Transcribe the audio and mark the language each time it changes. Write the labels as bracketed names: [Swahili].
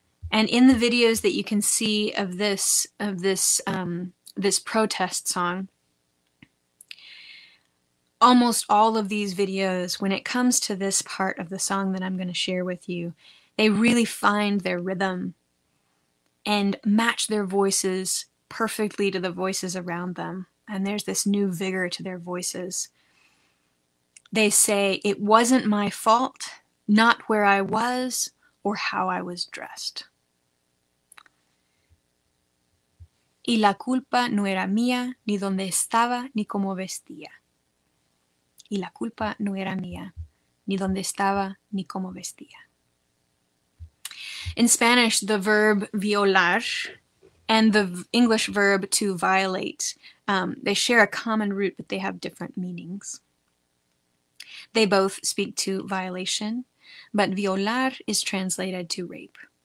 [English] And in the videos that you can see of this protest song, almost all of these videos, when it comes to this part of the song that I'm going to share with you, they really find their rhythm and match their voices perfectly to the voices around them. And there's this new vigor to their voices. They say, it wasn't my fault, not where I was or how I was dressed. [Spanish] Y la culpa no era mía, ni donde estaba, ni cómo vestía. Y la culpa no era mía, ni donde estaba, ni cómo vestía. [English] In Spanish, the verb violar and the English verb to violate, they share a common root, but they have different meanings. They both speak to violation, but violar is translated to rape.